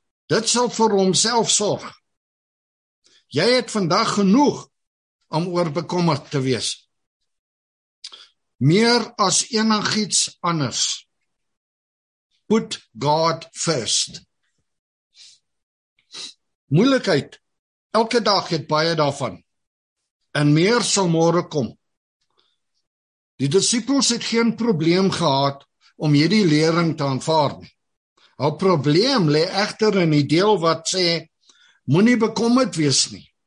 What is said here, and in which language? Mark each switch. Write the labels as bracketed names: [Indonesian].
[Afrikaans] Dit sal vir homself sorg. Jy het vandag genoeg om oor bekommerd te wees. Meer as enigiets anders. [English] Put God first. [Afrikaans] Moeilikheid. Elke dag het baie daarvan. En meer sal môre kom. Die disippels het geen probleem gehad om hierdie lering te aanvaard. Hul probleem lê egter in die deel wat sê, moenie bekommerd wees nie.